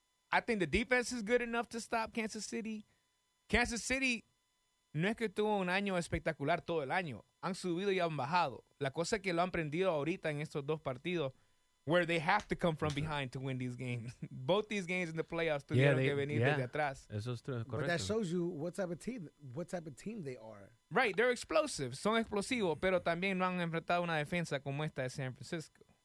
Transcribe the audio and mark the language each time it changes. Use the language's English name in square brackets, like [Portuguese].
[English] I think the defense is good enough to stop Kansas City. [Spanish] Kansas City no es que tuvo un año espectacular todo el año. Han subido y han bajado. La cosa es que lo han aprendido ahorita en estos dos partidos, [English] where they have to come from behind to win these games. Both these games in the playoffs [Spanish] tuvieron que venir desde atrás. Eso es true, correcto. [English] But that shows you what type of team they are. Right, they're explosive. [Spanish] Son explosivos, pero también no han enfrentado una defensa como esta de San Francisco.